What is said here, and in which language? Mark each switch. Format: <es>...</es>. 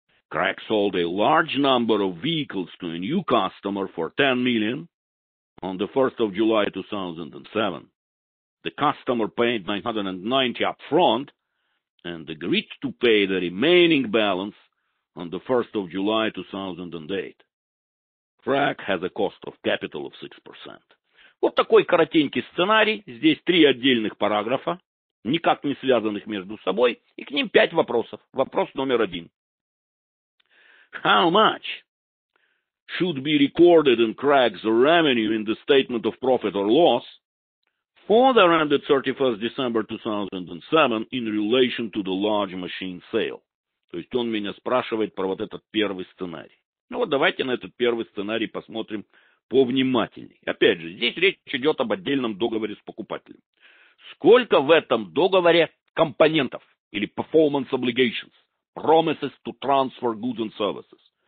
<en>Craig sold a large number of vehicles to a new customer for 10 million on the 1st of July 2007. The customer paid 990 upfront and agreed to pay the remaining balance on the 1st of July 2008. Crack has a cost of capital of 6%.</en> <ru>Вот такой коротенький сценарий. Здесь три отдельных параграфа, никак не связанных между собой, и к ним пять вопросов. Вопрос номер один.</ru> <en>How much should be recorded in Crack's revenue in the statement of profit or loss for the end of 31st December 2007 in relation to the large machine sale?</en> <ru>То есть он меня спрашивает про вот этот первый сценарий. Ну вот давайте на этот первый сценарий посмотрим повнимательнее. Опять же, здесь речь идет об отдельном договоре с покупателем. Сколько в этом договоре компонентов или</ru> <en>performance obligations, promises to transfer goods and services?</en>